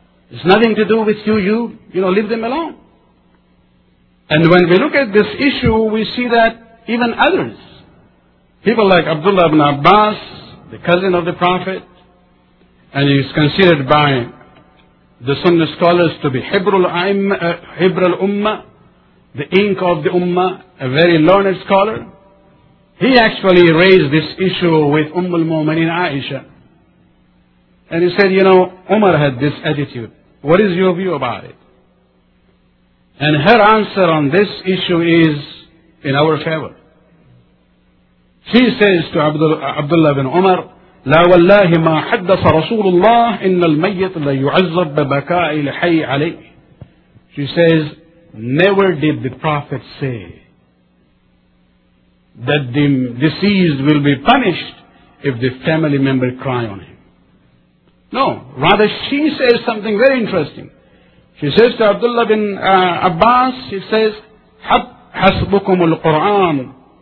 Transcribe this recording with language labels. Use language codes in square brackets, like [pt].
[en] It's nothing to do with you leave them alone. And when we look at this issue, we see that even others, people like Abdullah ibn Abbas, the cousin of the Prophet, and he is considered by the Sunni scholars to be Hibrul Ummah, the ink of the Ummah, a very learned scholar, he actually raised this issue with Ummul Mu'mineen Aisha. And he said, you know, Umar had this attitude. What is your view about it? And her answer on this issue is in our favor. She says to Abdullah bin Umar, [ar] لا والله ما حدث رسول الله إن الميت لا يعذب ببكاء الحي عليه. [en] She says, never did the Prophet say that the deceased will be punished if the family member cry on him. No, rather she says something very interesting. She says to Abdullah bin Abbas, she says, [ar] حسبكم القرآن.